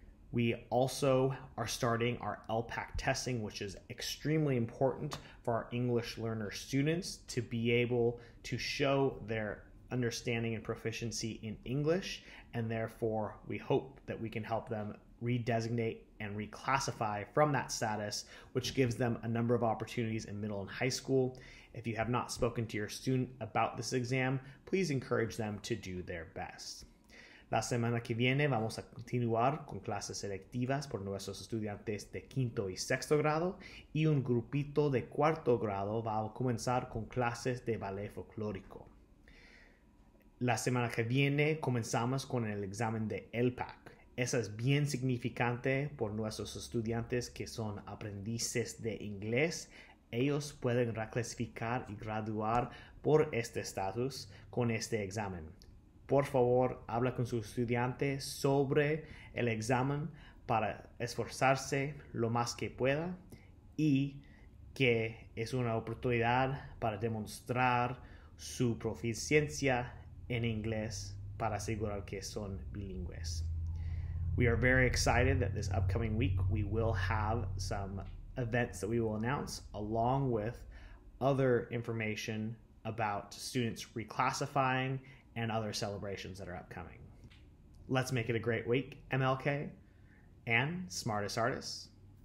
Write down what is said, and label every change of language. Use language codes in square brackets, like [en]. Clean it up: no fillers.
[en] We also are starting our LPAC testing, which is extremely important for our English learner students to be able to show their understanding and proficiency in English, and therefore we hope that we can help them redesignate and reclassify from that status, which gives them a number of opportunities in middle and high school. If you have not spoken to your student about this exam, please encourage them to do their best. [es] La semana que viene vamos a continuar con clases selectivas por nuestros estudiantes de quinto y sexto grado, y un grupito de cuarto grado va a comenzar con clases de ballet folclórico. La semana que viene comenzamos con el examen de LPAC. Esa es bien significante por nuestros estudiantes que son aprendices de inglés. Ellos pueden reclasificar y graduar por este estatus con este examen. Por favor, habla con su estudiante sobre el examen para esforzarse lo más que pueda, y que es una oportunidad para demostrar su proficiencia en inglés para asegurar que son bilingües. [en] We are very excited that this upcoming week we will have some events that we will announce, along with other information about students reclassifying and other celebrations that are upcoming. Let's make it a great week, MLK and Smartest Artists.